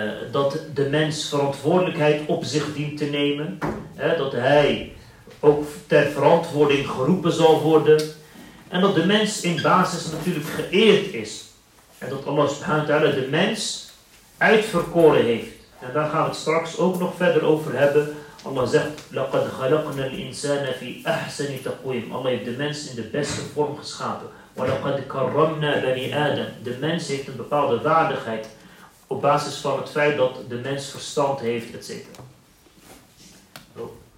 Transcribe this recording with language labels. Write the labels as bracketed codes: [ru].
[nl] Dat de mens verantwoordelijkheid op zich dient te nemen. Dat hij ook ter verantwoording geroepen zal worden. En dat de mens in basis natuurlijk geëerd is. En dat Allah subhanahu wa ta'ala de mens uitverkoren heeft. En daar gaan we het straks ook nog verder over hebben. Allah zegt, [ar] لَقَدْ خَلَقْنَا الْإِنسَانَ فِي أَحْسَنِ تَقْوِيمٍ. [nl] Allah heeft de mens in de beste vorm geschapen. [ar] وَلَقَدْ كَرَّمْنَا بَنِي آدَمٍ. [nl] De mens heeft een bepaalde waardigheid. Op basis van het feit dat de mens verstand heeft, etc. Eentje terug. Kunnen we eentje terug doen? Zo.